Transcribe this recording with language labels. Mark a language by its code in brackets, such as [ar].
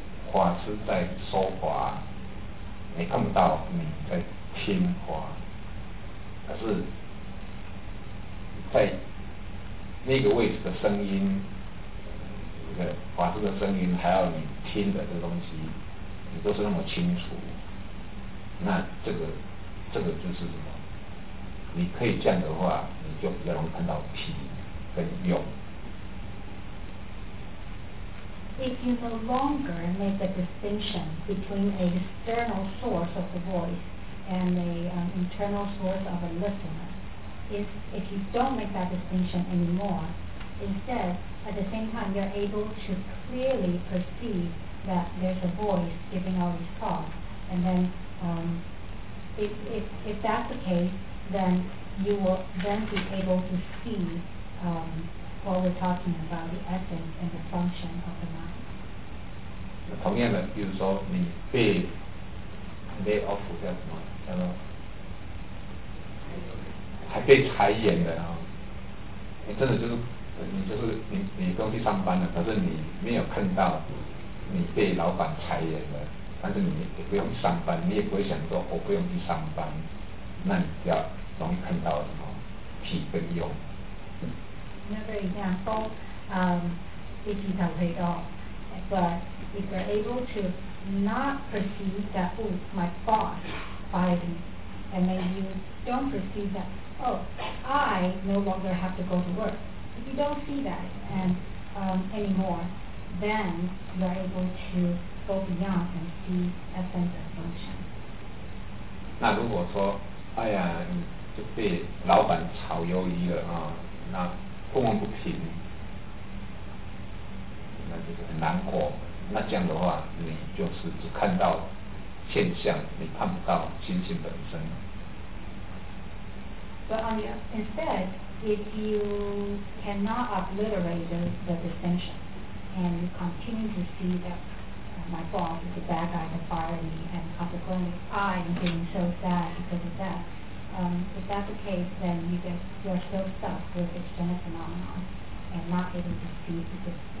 [zh] 法师在说法，你看不到你在听法，可是，在那个位置的声音，那个法师的声音，还要你听的这个东西，你都是那么清楚，那这个就是什么？你可以这样的话，你就比较容易看到体跟用。 [en] If you no longer make a distinction between an external source of the voice and an internal source of a listener, if you don't make that distinction anymore, instead, at the same time, you're able to clearly perceive that there's a voice giving out his talk, and then if that's the case, then you will then be able to see what we're talking about, the essence and the function of the mind. [zh] 同样的，比如说你被 [en] lay off [zh] 叫什么？叫做还被裁员的啊、哦！你真的就是你不用去上班了，可是你没有看到你被老板裁员的，但是你也不用去上班，你也不会想说我不用去上班，那你比较容易看到什么体跟用。 [en] Another example, if you have laid off, but if you're able to not perceive that, oh, my boss fired me, and then you don't perceive that, oh, I no longer have to go to work. If you don't see that anymore, then you're able to go beyond and see essence and function. [zh] 那如果说，哎呀，你就被老板炒鱿鱼了啊，那愤愤不平，那就是很难过。那这样的话，你就是只看到现象，你看不到心性本身。 [en] But on your, instead, if you cannot obliterate the distinction and you continue to see that my boss is a bad guy that fired me, and consequently I am being so sad because of that, if that's the case, then you are still stuck with external phenomena and not able to see the.